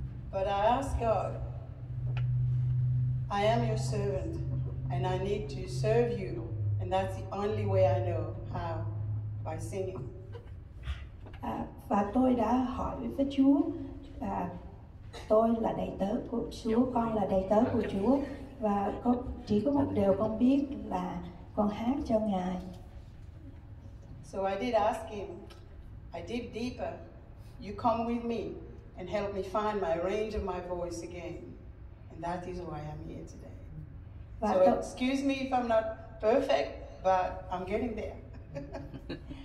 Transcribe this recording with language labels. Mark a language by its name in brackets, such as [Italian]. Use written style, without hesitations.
[English] But I ask God, I am your servant and I need to serve you, and that's the only way I know how, by singing. [Vietnamese] Và tôi đã hỏi với Chúa, tôi là đầy tớ của Chúa, con là đầy tớ của Chúa, và chỉ có một điều con biết là con hát cho Ngài. [English] So I did ask him, I dig deeper, you come with me and help me find my range of my voice again. That is why I'm here today. Và so excuse me if I'm not perfect, but I'm getting there.